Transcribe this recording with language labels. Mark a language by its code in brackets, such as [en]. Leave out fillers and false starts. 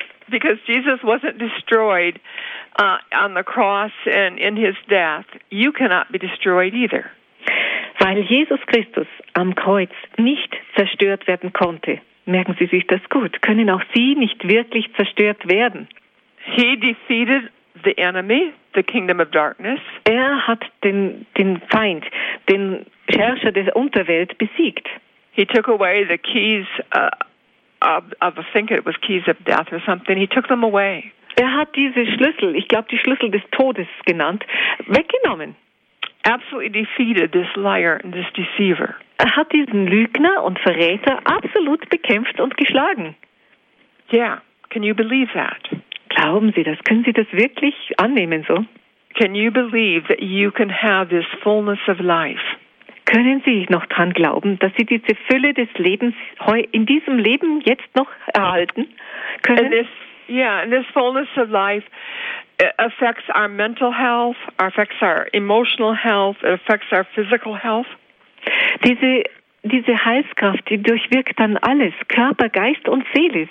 [en] Because Jesus wasn't destroyed on the cross and in his death, you cannot be destroyed either. [de] Weil Jesus Christus am Kreuz nicht zerstört werden konnte, merken Sie sich das gut, können auch Sie nicht wirklich zerstört werden. [en] He defeated the enemy, the kingdom of darkness. [de] Er hat den Feind, den Herrscher der Unterwelt besiegt. [en] He took away the keys I think it was keys of death or something. He took them away. [de] Er hat diese Schlüssel, ich glaube die Schlüssel des Todes genannt, weggenommen. [en] Absolutely defeated this liar and this deceiver. [de] Er hat diesen Lügner und Verräter absolut bekämpft und geschlagen. [en] Yeah, can you believe that? [de] Glauben Sie das? Können Sie das wirklich annehmen so? [en] Can you believe that you can have this fullness of life? [de] Können Sie noch dran glauben, dass Sie diese Fülle des Lebens in diesem Leben jetzt noch erhalten können? [en] And this, yeah, and this fullness of life affects our mental health, affects our emotional health, it affects our physical health. [de] Diese Heilskraft, die durchwirkt dann alles, Körper, Geist und Seele.